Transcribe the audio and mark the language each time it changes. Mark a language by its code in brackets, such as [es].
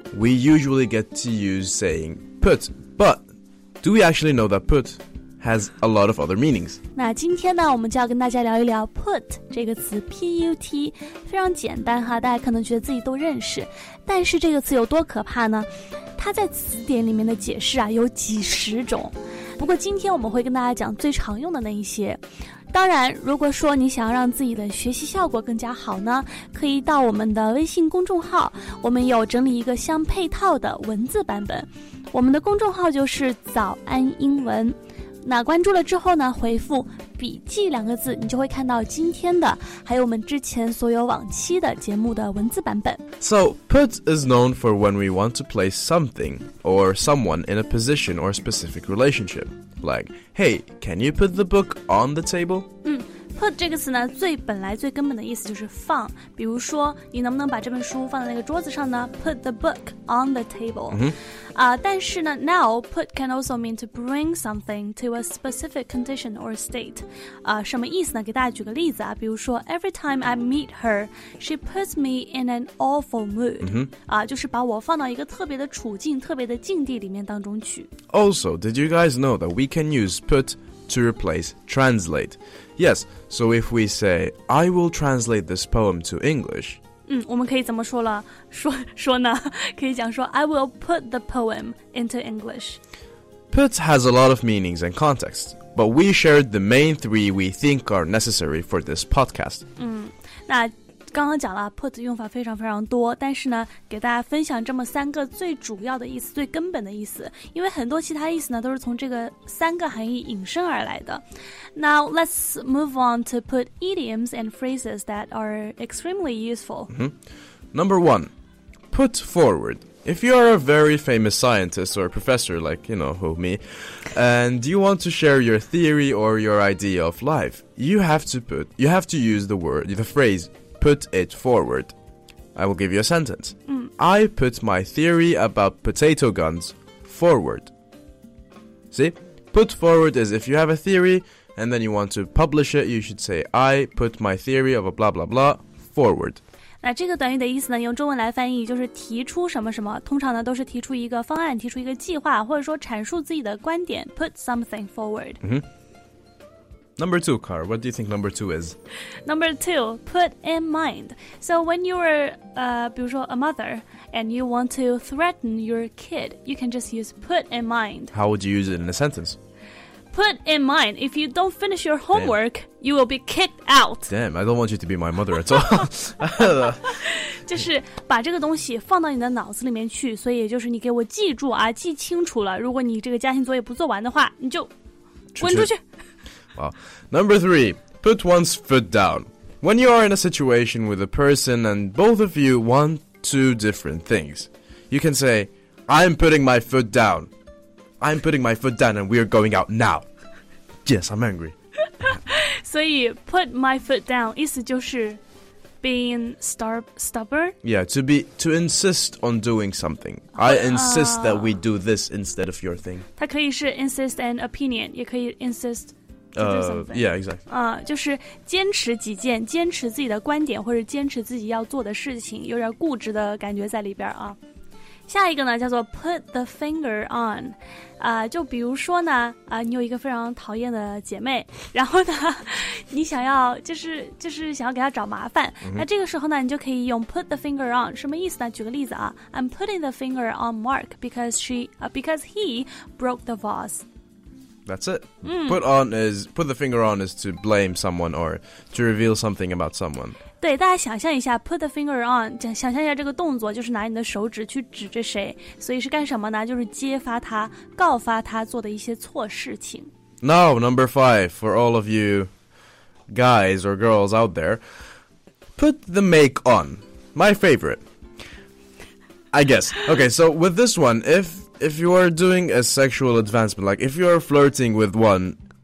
[en] We usually get to use saying put, but do we actually know that put? Has a lot of other meanings. [zh] 那今天呢，我们就要跟大家聊一聊 put 这个词 P-U-T 非常简单哈，大家可能觉得自己都认识，但是这个词有多可怕呢？它在词典里面的解释啊有几十种，不过今天我们会跟大家讲最常用的那一些。当然，如果说你想要让自己的学习效果更加好呢，可以到我们的微信公众号，我们有整理一个相配套的文字版本，我们的公众号就是早安英文。那关注了之后呢，回复笔记两个字，你就会看到今天的还有我们之前所有往期的节目的文字版本。 [en] So put is known for when we want to place something or someone in a position or a specific relationship. Like, hey, can you put the book on the table? [zh] Put 这个词呢，最本来最根本的意思就是放，比如说你能不能把这本书放在那个桌子上呢？ [en] Put the book on the table、 [zh] 但是呢 [en] now put can also mean to bring something to a specific condition or state、 [zh] 什么意思呢？给大家举个例子啊，比如说 [en] every time I meet her she puts me in an awful mood、 [zh] 就是把我放到一个特别的处境特别的境地里面当中去。 [en] Also, did you guys know that we can use putto replace translate. Yes, so if we say, I will translate this poem to English. [zh] 我们可以怎么说了？说呢？可以讲说 [en] I will put the poem into English. Put has a lot of meanings and contexts, but we shared the main three we think are necessary for this podcast. [zh] 那刚刚讲了 put 用法非常非常多，但是呢给大家分享这么三个最主要的意思，最根本的意思，因为很多其他意思呢都是从这个三个含义引申而来的。 [en] Now let's move on to put idioms and phrases that are extremely useful. Number one, put forward. If you are a very famous scientist or a professor like, you know, who, me, and you want to share your theory or your idea of life, you have to use the phrase,Put it forward. I will give you a sentence. I put my theory about potato guns forward. See? Put forward is if you have a theory and then you want to publish it, you should say, I put my theory of a blah blah blah forward. [zh] 那这个短语的意思呢，用中文来翻译就是提出什么什么，通常呢都是提出一个方案，提出一个计划，或者说阐述自己的观点。 [en] Put something forward. Number two, Car, what do you think number two is? Number two, put in mind. So when you are, [zh] 比如说 [en] a mother, and you want to threaten your kid, you can just use put in mind. How would you use it in a sentence? Put in mind, if you don't finish your homework, you will be kicked out. Damn, I don't want you to be my mother at all. [zh] 就是把这个东西放到你的脑子里面去，所以就是你给我记住啊，记清楚了，如果你这个家庭作业不做完的话，你就滚出去。 [en] Wow. Number three, put one's foot down. When you are in a situation with a person and both of you want two different things, you can say, I'm putting my foot down. I'm putting my foot down and we are going out now. Yes, I'm angry. [zh] 所以 [en] put my foot down [zh] 意思就是 [en] being stubborn? Yeah, to insist on doing something. I insist that we do this instead of your thing. [zh] 它可以是 [en] insist an opinion, [zh] 也可以 insist... [en] yeah, exactly. [zh] 就是坚持己见，坚持自己的观点，或者坚持自己要做的事情，有点固执的感觉在里边啊。下一个呢，叫做 put the finger on. 就比如说呢，你有一个非常讨厌的姐妹，然后呢，你想要就是想要给她找麻烦。那这个时候呢，你就可以用 put the finger on. 什么意思呢？举个例子啊 [en] ，I'm putting the finger on Mark because he broke the vase. That's it. Put the finger on is to blame someone or to reveal something about someone. [zh] 对，大家想象一下 ，put the finger on， 想象一下这个动作，就是拿你的手指去指着谁，所以是干什么呢？就是揭发他、告发他做的一些错事情。 [en] Now, number five for all of you guys or girls out there, put the make on. My favorite, I guess. Okay, so with this one, if you are doing a sexual advancement, like if you are flirting with one,